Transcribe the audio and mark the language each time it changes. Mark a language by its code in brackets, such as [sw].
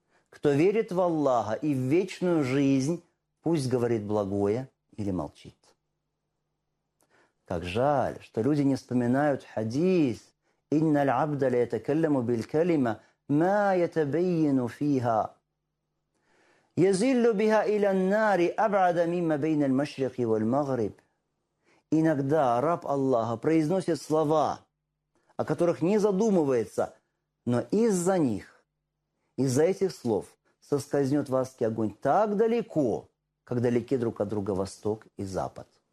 [ru] Кто верит в Аллаха и в вечную жизнь, пусть говорит благое или молчит. Как жаль, что люди не вспоминают хадис: [ar] «Инналь абдаля это келлему биль келлима ما يتبين فيها يزل بها إلى النار أبعد مما بين المشرق والمغرب. [ru] Иногда раб Аллаха произносит слова, о которых не задумывается, но из-за них, из-за этих слов, соскользнет в адский огонь так далеко, как далеки друг от друга восток и запад.